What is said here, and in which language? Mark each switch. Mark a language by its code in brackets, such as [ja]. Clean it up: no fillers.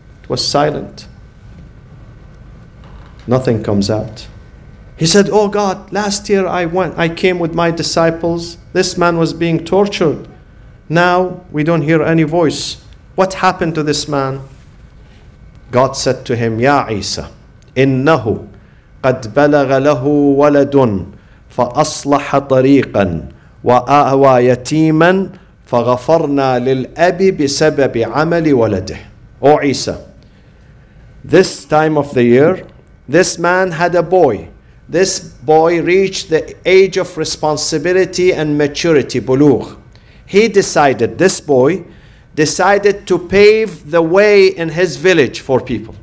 [en] It was silent. Nothing comes out. He said, oh God, last year I came with my disciples. This man was being tortured. Now we don't hear any voice. What happened to this man? God said to him, [ar] Ya Isa, إِنَّهُ قَدْ بَلَغَ لَهُ وَلَدٌ فَأَصْلَحَ طَرِيقًا وَآوَى يَتِيمًا فَغَفَرْنَا لِلْأَبِ بِسَبَبِ عَمَلِ وَلَدِهِ. [en] O Isa, this time of the year, this man had a boy. This boy reached the age of responsibility and maturity, بلوغ. He decided, this boy, decided to pave the way in his village for people.